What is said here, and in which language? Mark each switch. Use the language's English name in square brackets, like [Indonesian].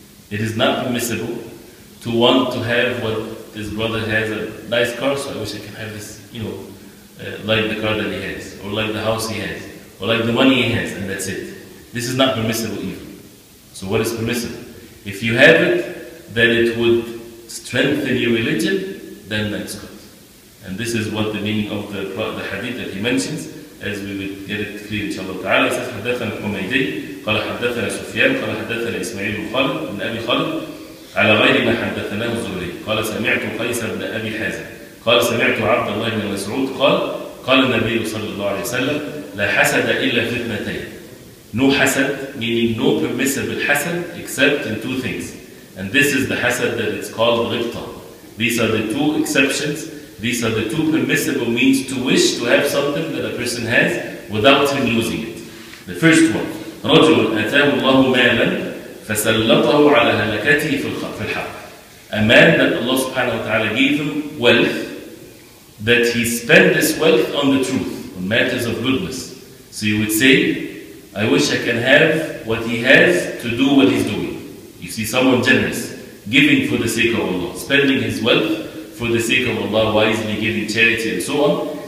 [English] It is not permissible to want to have what this brother has, a nice car, so I wish I can have this, you know, like the car that he has, or like the house he has, or like the money he has, and that's it. This is not permissible even. So what is permissible? If you have it, then it would strengthen your religion, then that's good. And this is what the meaning of the hadith that he mentions, as we will get it clear inshallah ta'ala. [Arabic] Says, حدثنا حميدي قال حدثنا سفيان قال حدثنا إسماعيل خالد بن أبي خالد على غير ما حدثناه الزهري قال سمعت قيس بن أبي حازم قال سمعت عبد الله بن مسعود قال قال النبي صلى الله عليه وسلم لا حسد إلا في اثنتين. [English] No hasad, meaning no permissible hasad, except in two things. And this is the hasad that it's called ghibta. These are the two exceptions. These are the two permissible means to wish to have something that a person has without him losing it. The first one, [Arabic] رجل أتاه الله مالا فسلطه على هلكته في الحرب. [English] A man that Allah subhanahu wa ta'ala gave him wealth, that he spent this wealth on the truth, on matters of goodness. So you would say, I wish I can have what he has to do what he's doing. You see, someone generous, giving for the sake of Allah, spending his wealth for the sake of Allah, wisely giving charity and so on.